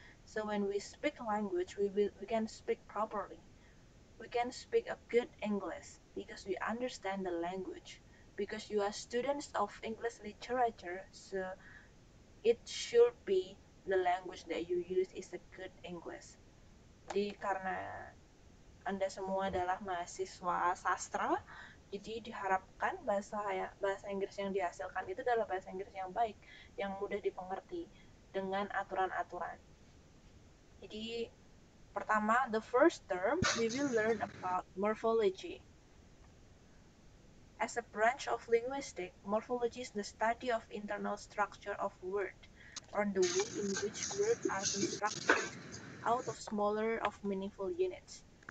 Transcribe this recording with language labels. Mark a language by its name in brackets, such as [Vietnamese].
[English] So when we speak language, we can speak properly. We can speak a good English because we understand the language. Because you are students of English literature, so it should be the language that you use is a good English. [Indonesian] Jadi karena Anda semua adalah mahasiswa sastra, jadi diharapkan bahasa Inggris yang dihasilkan itu adalah bahasa Inggris yang baik, yang mudah dipengerti dengan aturan-aturan. Jadi pertama, [English] the first term we will learn about morphology. As a branch of linguistics, morphology is the study of internal structure of words, or the way in which words are constructed out of smaller of meaningful units.